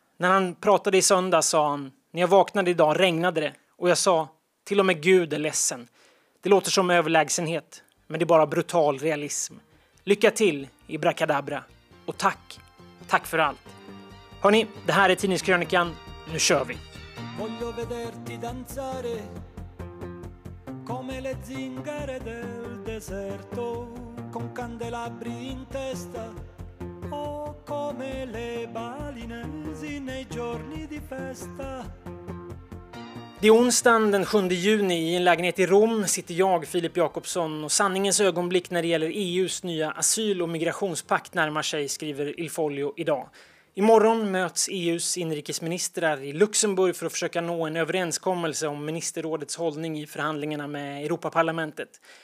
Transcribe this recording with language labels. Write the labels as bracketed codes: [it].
[sv] När han pratade i söndag sa han: "När jag vaknade idag regnade det. Och jag sa, till och med Gud är ledsen. Det låter som överlägsenhet, men det är bara brutal realism. Lycka till, Ibrakadabra. Och tack, tack för allt." Hörni, det här är Tidningskrönikan. Nu kör vi! [it] Voglio vederti danzare come le zingare del deserto con candelabri in testa o come le balinesi nei giorni di festa. [sv] Det är onsdagen den 7 juni. I en lägenhet i Rom sitter jag, Filip Jakobsson, och sanningens ögonblick när det gäller EUs nya asyl- och migrationspakt närmar sig, skriver Il Foglio idag. Imorgon möts EUs inrikesministrar i Luxemburg för att försöka nå en överenskommelse om ministerrådets hållning i förhandlingarna med Europaparlamentet.